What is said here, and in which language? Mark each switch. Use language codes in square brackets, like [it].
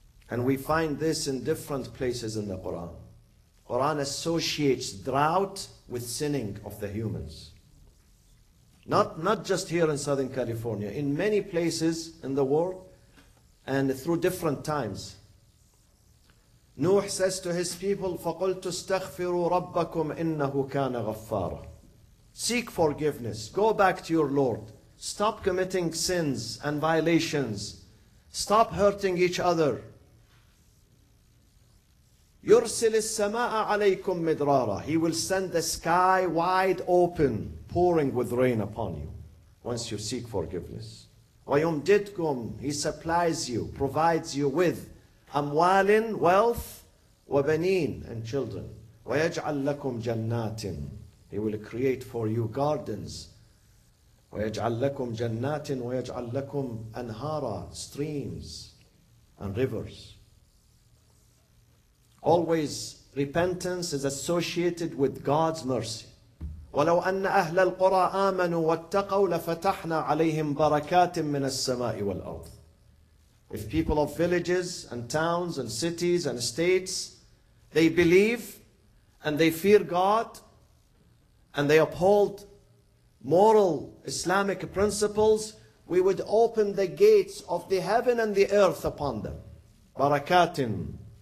[en] And we find this in different places in the Quran. Quran associates drought with sinning of the humans. Not just here in Southern California, in many places in the world and through different times. Nuh says to his people, [ar] فَقُلْتُ اسْتَغْفِرُوا رَبَّكُمْ إِنَّهُ كَانَ غَفَّارًا. [en] Seek forgiveness. Go back to your Lord. Stop committing sins and violations. Stop hurting each other. [ar] يُرْسِلِ السَّمَاءَ عَلَيْكُمْ مِدْرَارًا. [en] He will send the sky wide open, pouring with rain upon you, once you seek forgiveness. [ar] وَيُمْدِدْكُمْ. [en] He supplies you, provides you with [ar] أموالٍ, [en] wealth, [ar] وبنين, [en] and children. [ar] ويجعل لكم جناتٍ. [en] He will create for you gardens. [ar] ويجعل لكم جناتٍ ويجعل لكم أنهاراً, [en] streams and rivers. Always repentance is associated with God's mercy. [ar] ولو أن أهل القرى آمنوا واتقوا لفتحنا عليهم بركاتٍ من السماء والأرض. [en] If people of villages and towns and cities and states, they believe and they fear God and they uphold moral Islamic principles, we would open the gates of the heaven and the earth upon them. Barakatin.